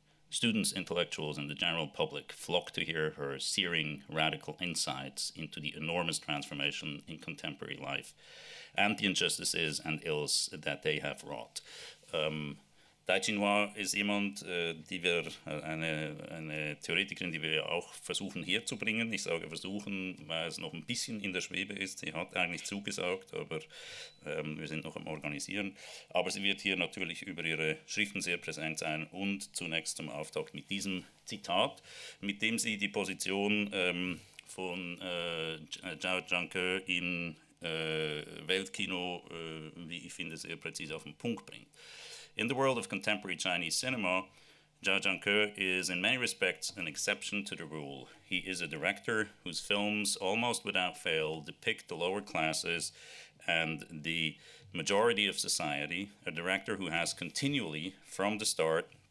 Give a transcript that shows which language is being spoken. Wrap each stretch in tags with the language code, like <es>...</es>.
<en>Students, intellectuals, and the general public flock to hear her searing, radical insights into the enormous transformation in contemporary life and the injustices and ills that they have wrought.</en> <de>Dai Junhua ist jemand, die wir eine Theoretikerin, die wir auch versuchen herzubringen. Ich sage versuchen, weil es noch ein bisschen in der Schwebe ist. Sie hat eigentlich zugesagt, aber wir sind noch am Organisieren. Aber sie wird hier natürlich über ihre Schriften sehr präsent sein und zunächst zum Auftakt mit diesem Zitat, mit dem sie die Position von Zhao Zhangke in Weltkino, wie ich finde, sehr präzise auf den Punkt bringt.</de> <en>In the world of contemporary Chinese cinema, Zhao Zhangke is in many respects an exception to the rule. He is a director whose films almost without fail depict the lower classes and the majority of society, a director who has continually, from the start,</en>